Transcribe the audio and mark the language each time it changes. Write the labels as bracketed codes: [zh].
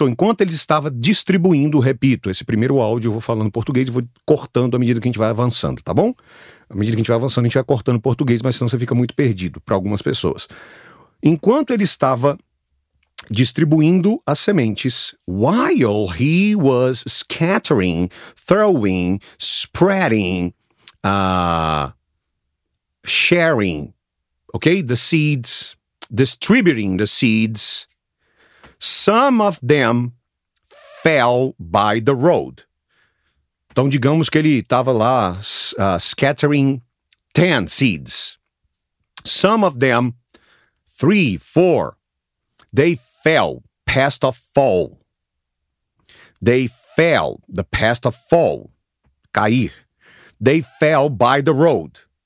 [pt] So, enquanto ele estava distribuindo, repito, esse primeiro áudio eu vou falando português e vou cortando à medida que a gente vai avançando, tá bom? À medida que a gente vai avançando, a gente vai cortando português, mas senão você fica muito perdido para algumas pessoas. Enquanto ele estava distribuindo as sementes, [en] while he was scattering, throwing, spreading, sharing, okay, the seeds, distributing the seeds, some of them fell by the road. [pt] Então, digamos que ele estava lá scattering 10 seeds. [en] Some of them, 3, 4, they fell, past of fall. They fell, the past of fall. Cair. They fell by the road.